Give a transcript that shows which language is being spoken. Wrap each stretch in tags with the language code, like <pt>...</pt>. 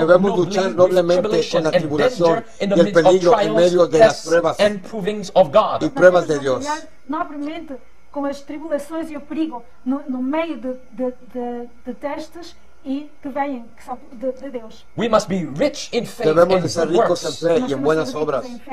<es>debemos luchar noblemente con la tribulación y el peligro en medio de las pruebas y pruebas de Dios.</es> <pt>Novamente, com as tribulações e o perigo no meio de testes</pt> <es>y que vienen que son de Dios.</es> <en>We must be rich in faith</en> <es>debemos</es> <en>and</en> <es>de ser ricos en fe y en buenas obras.</es>